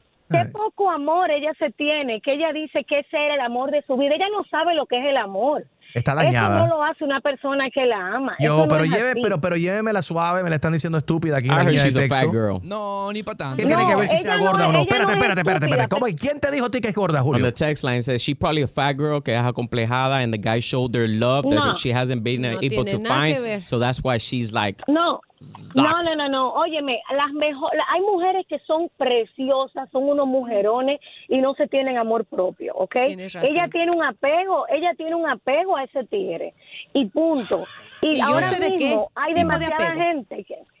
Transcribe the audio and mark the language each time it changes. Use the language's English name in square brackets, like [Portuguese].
[Spanish] Qué poco amor ella se tiene, que ella dice que ese era el amor de su vida. Ella no sabe lo que es el amor. Está dañada. Eso no lo hace una persona que la ama. Pero llévemela suave, me la están diciendo estúpida aquí en la línea de texto. [English] Fat girl. [Spanish] No, ni para tanto. ¿Qué tiene que ver si sea gorda o no? Espérate. ¿Cómo? ¿Y quién te dijo a ti que es gorda, Julio? [English] On the text line says, she's probably a fat girl, [Spanish] que es acomplejada, [English] and the guy showed her love that she hasn't been able to find. So that's why she's like... [Spanish] No. Óyeme, hay mujeres que son preciosas, son unos mujerones y no se tienen amor propio, ¿ok? Ella tiene un apego a ese tigre. Y punto. Y ahora mismo hay demasiada gente que...